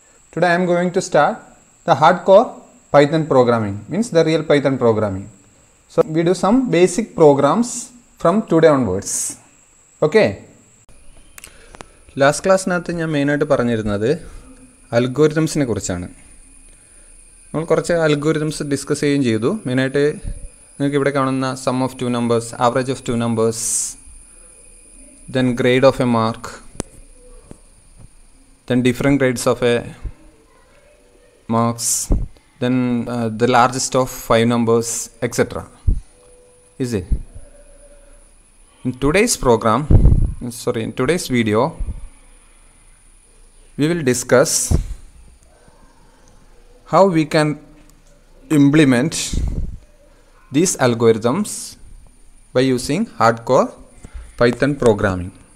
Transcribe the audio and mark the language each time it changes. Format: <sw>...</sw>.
<en>Today I am going to start the hardcore Python programming, means the real Python programming. So we do some basic programs from today onwards. Okay. Last class I am going to talk about algorithms.</en> <ml>നമ്മൾ കുറച്ച് algorithms discuss ചെയ്യുകയും ചെയ്തു. മെയിനായിട്ട് നിങ്ങൾക്ക് ഇവിടെ കാണുന്ന</ml> <en>Sum of two numbers, average of two numbers, then grade of a mark, then different grades of a marks, then the largest of five numbers etcetera. Is in today's program, sorry in today's video we will discuss how we can implement these algorithms by using hardcore Python programming.</en>